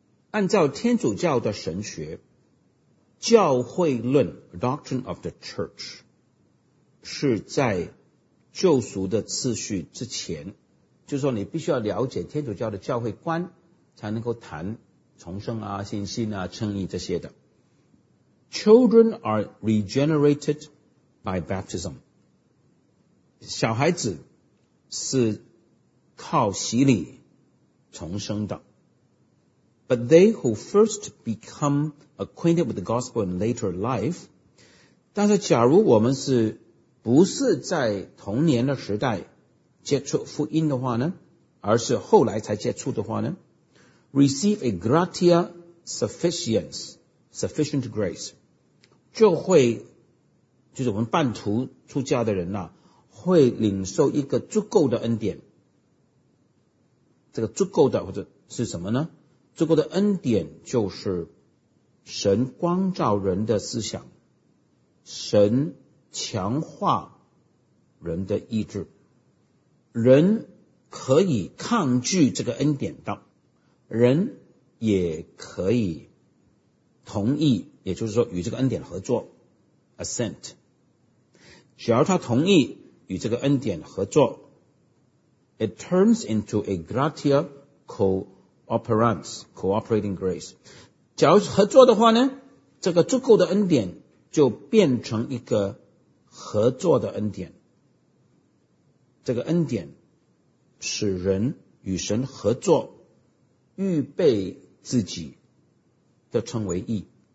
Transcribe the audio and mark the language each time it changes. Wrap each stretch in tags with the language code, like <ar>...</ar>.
<zh>按照天主教的神学，教会论</zh> <en>Doctrine of the Church</en> <zh>是在救赎的次序之前，就是说你必须要了解天主教的教会观，才能够谈重生啊、信心啊、称义这些的。</zh> <en>Children are regenerated by baptism.</en> <zh>小孩子是靠洗礼重生的。</zh> <en>But they who first become acquainted with the gospel in later life,</en> <zh>但是假如我们是不是在童年的时代接触福音的话呢，而是后来才接触的话呢，</zh> <en>receive a gratia sufficiens, sufficient grace.</en> <zh>就会，就是我们半途出家的人啊，会领受一个足够的恩典。这个足够的或者是什么呢？足够的恩典就是神光照人的思想，神强化人的意志，人可以抗拒这个恩典的，人也可以同意，也就是说与这个恩典合作 assent。只要他同意与这个恩典合作，</zh> <en>it turns into a gratia cooperans, cooperating grace。</en> <zh>只要合作的话呢，这个足够的恩典就变成一个合作的恩典，这个恩典使人与神合作，预备自己的称为义。</zh>